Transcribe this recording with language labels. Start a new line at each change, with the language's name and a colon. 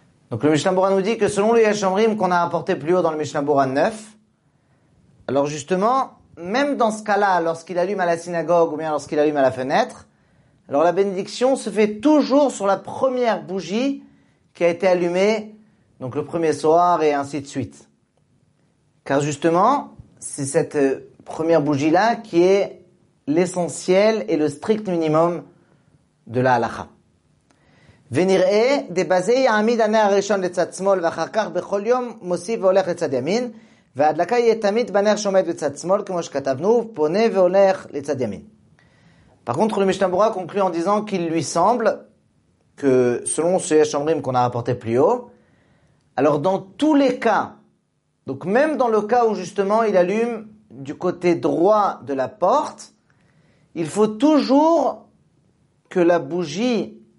French: Donc le Mishnah Bora nous dit que selon le Yashomrim qu'on a apporté plus haut dans le Mishnah Bora 9, alors justement, même dans ce cas-là, lorsqu'il allume à la synagogue ou bien lorsqu'il allume à la fenêtre, alors la bénédiction se fait toujours sur la première bougie qui a été allumée, donc le premier soir et ainsi de suite. Car justement, c'est cette première bougie-là qui est l'essentiel et le strict minimum de la halakha.
Hebrew: ונראה דבזה יעמיד הנר הראשון לצד שמאל ואחר כך בכל יום מוסיף והולך לצד ימין וההדלקה יהיה תמיד בנר שעומד בצד שמאל כמו שכתבנו פונה והולך לצד ימין.
French: Par contre, le Mishnah Bura conclut en disant qu'il lui semble que selon ce Yesh Omrim qu'on a rapporté plus haut, alors dans tous les cas, donc même dans le cas où justement il allume du côté droit de la porte, il faut toujours que la bougie